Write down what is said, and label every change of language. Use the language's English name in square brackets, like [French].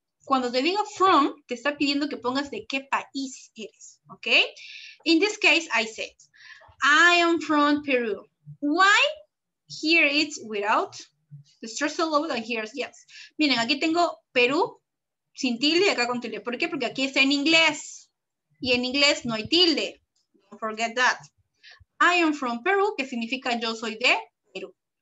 [Spanish] Cuando te diga from, te está pidiendo que pongas de qué país eres, ¿ok? [English] In this case, I said, I am from Peru. Why? Here it's without. The stress is low, and here's yes. [Spanish] Miren, aquí tengo Perú sin tilde y acá con tilde. ¿Por qué? Porque aquí está en inglés. Y en inglés no hay tilde. [English] Don't forget that. I am from Peru, [Spanish] que significa yo soy de Perú.